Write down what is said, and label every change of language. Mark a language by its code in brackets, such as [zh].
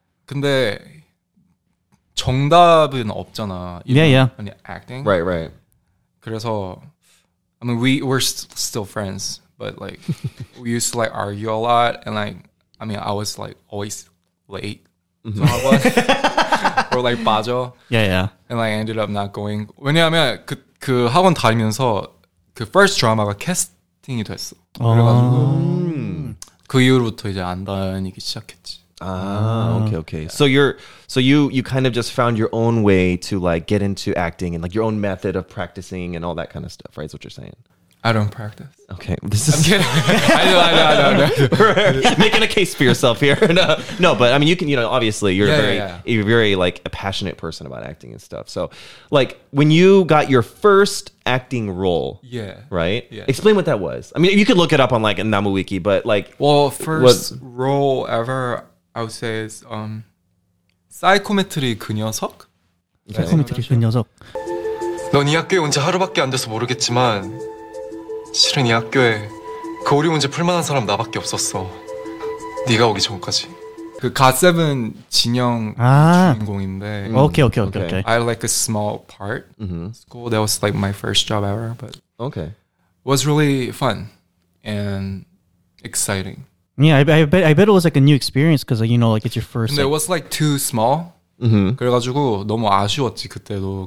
[ko] 근데 정답은 없잖아. [en] Yeah, yeah. When you're acting. Right, right. [ko] 그래서 [en] I mean we're still friends, but like we used to like argue a lot, and like I mean I was like always late. Mm-hmm. or like [ko] 빠져. [en] Yeah, yeah. And like ended up not going. [ko] 왜냐하면 그 학원 다니면서 그 [en] first drama [ko] 가 캐스팅이 됐어. 그래가지고 그 이후로부터 이제 안 다니기 시작했지. [en] Okay. Yeah. So you kind of just found your own way to like get into acting and like your own method of practicing and all that kind of stuff, right? Is what you're saying. I don't practice. Okay. This is I know. Making a case for yourself here. No, but I mean, you can, you know, obviously you're very like a passionate person about acting and stuff. So like when you got your first acting role. Yeah. Right. Yeah. Explain what that was. I mean, you could look it up on like NamuWiki, but like. Well, first role ever, I would say is Psychometry 그 녀석. [ko] Psychometry 그 녀석. 넌 이 학교에 온 지 하루밖에 안 돼서 모르겠지만 실은 이 학교에 그 오류 문제 풀만한 사람 나밖에 없었어. 네가 오기 전까지. 그 갓세븐 진영 주인공인데. 오케이. [en] I like a small part. Mm-hmm. School, that was like my first job ever. But okay. Was really fun and exciting. Yeah, I bet it was like a new experience because you know, like it's your first. But like, it was like too small. Mm-hmm. [ko] 그래가지고 너무 아쉬웠지 그때도.